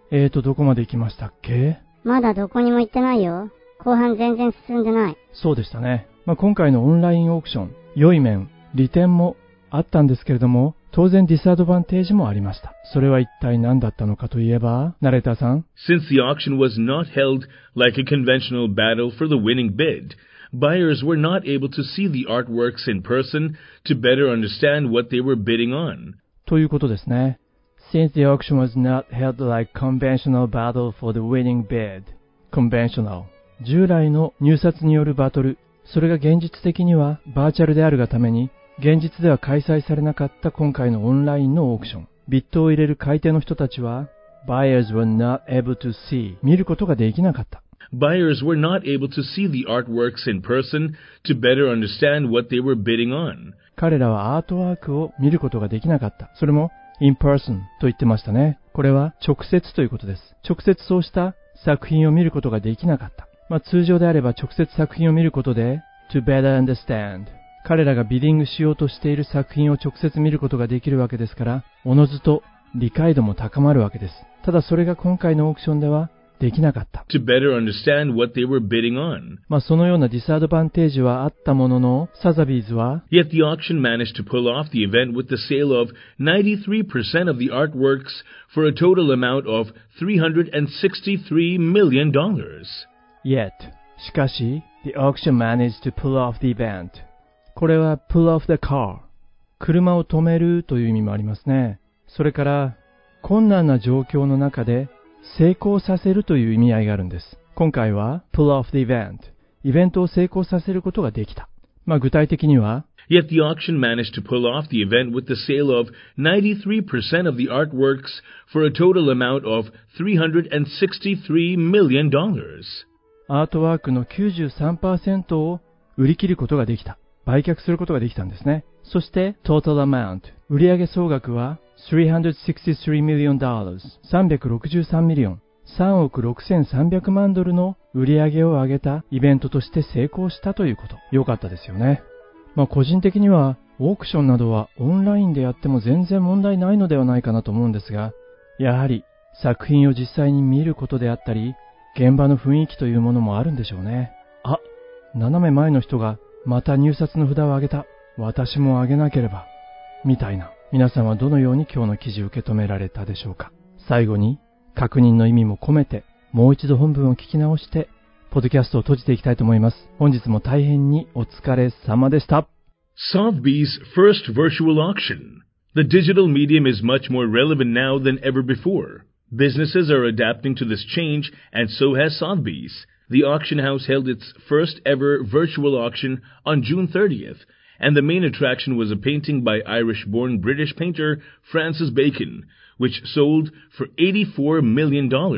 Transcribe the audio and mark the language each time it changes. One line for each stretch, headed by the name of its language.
Japanese: どこまで行きましたっけ？まだどこにも行ってないよ。後半全然進んでない。そうでしたね。まあ、今回のオンラインオークション、良い面、利点もあったんですけれども、当然ディスアドバンテージもありました。それは一体何だったのかといえば、ナレーターさん。
English: Since the auction was not held like a conventional battle for the winning bid, buyers were not able to see the artworks in person to better understand what they were bidding on.
Japanese: ということですね。
English: Since the auction was not held like conventional battle for the winning bid. Conventional.
Japanese: 従来の入札によるバトル、それが現実的にはバーチャルであるがために、現実では開催されなかった今回のオンラインのオークション。ビットを入れる買い手の人たちは、
English: Buyers were not able to see.
Japanese: 見ることができなかった。
English: Buyers were not able to see the artworks in person to better understand what they were bidding on.
Japanese: 彼らはアートワークを見ることができなかった。それも、
English: in person
Japanese: と言ってましたね。これは直接ということです。直接そうした作品を見ることができなかった。まあ通常であれば直接作品を見ることで
English: to better understand
Japanese: 彼らがビディングしようとしている作品を直接見ることができるわけですから、おのずと理解度も高まるわけです。ただそれが今回のオークションではできなかった。
English: to better understand what they were bidding on.
Japanese: まあそのようなディスアドバンテージはあったものの、サザビーズは
English: Yet the auction managed to pull off the event with the sale of 93% of the artworks for a total amount of $363 million. Yet
Japanese: しかし
English: The auction managed to pull off the event.
Japanese: これは
English: pull off the car.
Japanese: 車を止めるという意味もありますね。それから困難な状況の中で成功させるという意味合いがあるんです。今回は
English: pull off the event。
Japanese: イベントを成功させることができた。まあ具体的には
English: Yet the auction managed to pull off the event with the sale of 93% of the artworks for a total amount of $363 million.
Japanese: アートワークの 93% を売り切ることができた。売却することができたんですね。そして total amount。売上総額は$363 million。
English: $363 million。
Japanese: $36,300万の売上を上げたイベントとして成功したということ。良かったですよね。まあ個人的にはオークションなどはオンラインでやっても全然問題ないのではないかなと思うんですが、やはり作品を実際に見ることであったり、現場の雰囲気というものもあるんでしょうね。あ、斜め前の人がまた入札の札を上げた。私も上げなければ。みたいな。皆さんはどのように今日の記事を受け止められたでしょうか。最後に確認の意味も込めてもう一度本文を聞き直してポッドキャストを閉じていきたいと思います。本日も大変にお疲れ様でした。
English: Sotheby's first virtual auction. The digital medium is much more relevant now than ever before. Businesses are adapting to this change and so has Sotheby's. The auction house held its first ever virtual auction on June 30th. And the main attraction was a painting by Irish-born British painter Francis Bacon, which sold for $84 million.